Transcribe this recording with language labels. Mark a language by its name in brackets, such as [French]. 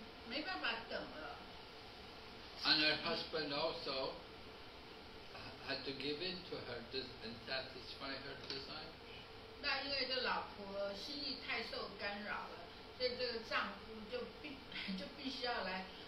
[Chinese] 告诉他的老婆，在这个时候要进行关系呢，是不吉祥的。可是当时他的老婆没有办法，就是没办法等了。And [English] her husband also had to give in to her and satisfy her desire. [Chinese] 那因为这老婆心意太受干扰了，所以这个丈夫就必须要来。